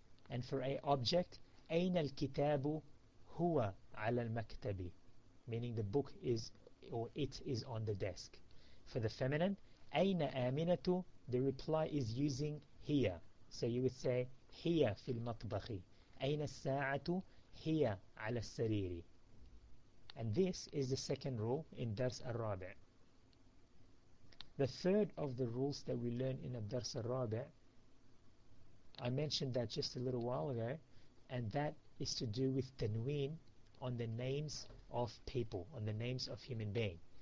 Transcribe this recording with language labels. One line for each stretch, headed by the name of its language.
English: And for a object,
Arabic: أين الكتاب هو على المكتب,
English: meaning the book is or it is on the desk. For the feminine,
Arabic: أين آمنة,
English: the reply is using هي. So you would say
Arabic: هي في المطبخ. أين الساعة, هي على السرير.
English: And this is the second rule in درس الرابع. The third of the rules that we learn in الدرس الرابع, I mentioned that just a little while ago, and that is to do with تنوين on the names of people, on the names of human beings.